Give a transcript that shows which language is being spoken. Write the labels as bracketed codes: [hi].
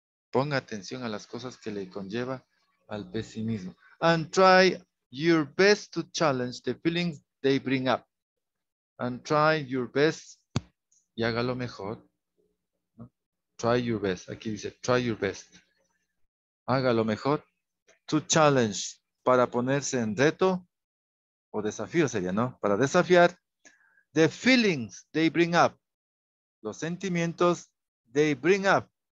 [es] Ponga atención a las cosas que le conlleva al pesimismo. [en] And try your best to challenge the feelings they bring up. And try your best. Y hágalo mejor, ¿no? Try your best. Aquí dice, try your best. [es] Hágalo mejor. To challenge. Para ponerse en reto. o desafío sería, ¿no? [en] Para desafiar, the feelings they bring up, los sentimientos they bring up.